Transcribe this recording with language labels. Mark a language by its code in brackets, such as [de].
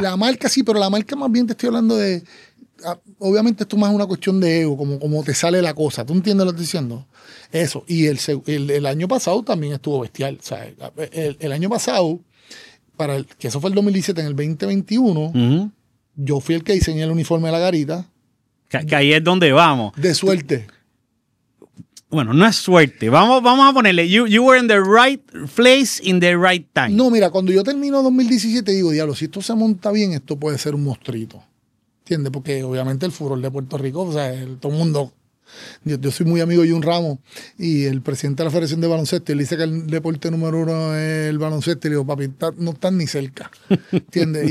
[es] La marca, sí, pero la marca más bien te estoy hablando de... Obviamente esto más es una cuestión de ego, como te sale la cosa. ¿Tú entiendes lo que estoy diciendo? Eso. Y el año pasado también estuvo bestial. O sea, el año pasado, que eso fue el 2017, en el 2021, yo fui el que diseñé el uniforme de la garita. Que ahí es donde vamos. De suerte. Bueno, no es suerte. Vamos a ponerle, [en] you were in the right place in the right time. [es] No, mira, cuando yo termino 2017, digo, diablo, si esto se monta bien, esto puede ser un monstruito. ¿Entiendes? Porque obviamente el furor de Puerto Rico, o sea, todo el mundo... Yo soy muy amigo de Jun Ramos y el presidente de la Federación de Baloncesto, él dice que el deporte número uno es el baloncesto. Y le digo, papi, no están ni cerca. ¿Entiendes?